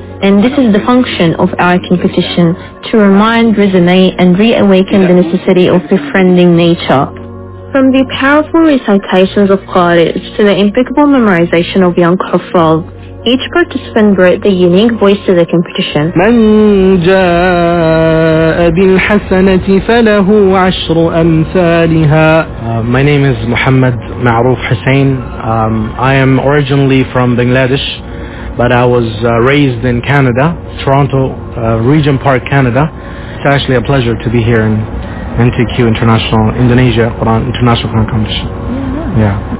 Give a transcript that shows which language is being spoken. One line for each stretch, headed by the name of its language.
English: And this is the function of our competition, to remind, resonate, and reawaken the necessity of befriending nature." From the powerful recitations of qaris to the impeccable memorization of young kuffal, each participant brought their unique voice to the competition.
Arabic: من جاء بالحسنة فله عشر أمثالها.
English: My name is Muhammad Ma'ruf Hussein. I am originally from Bangladesh, but I was raised in Canada, Toronto, Regent Park, Canada. It's actually a pleasure to be here in NTQ International, Indonesia, Quran, International Quran Competition. Yeah.